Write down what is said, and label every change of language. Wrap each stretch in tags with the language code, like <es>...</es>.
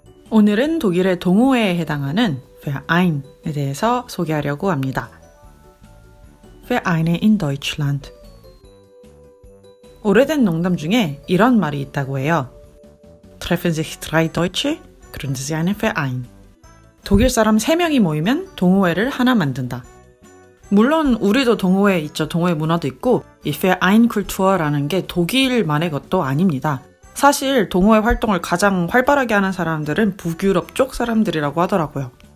<ko>오늘은 독일의 동호회에 해당하는 Verein에 대해서 소개하려고 합니다.</ko> <de>Vereine in Deutschland.</de> <ko>오래된 농담 중에 이런 말이 있다고 해요.</ko> <de>Treffen sich drei Deutsche, gründen sie einen Verein.</de> <ko>독일 사람 3명이 모이면 동호회를 하나 만든다. 물론 우리도 동호회 있죠. 동호회 문화도 있고 이 Verein Kultur라는 게 독일만의 것도 아닙니다. 사실 동호회 활동을 가장 활발하게 하는 사람들은 북유럽 쪽 사람들이라고 하더라고요.</ko>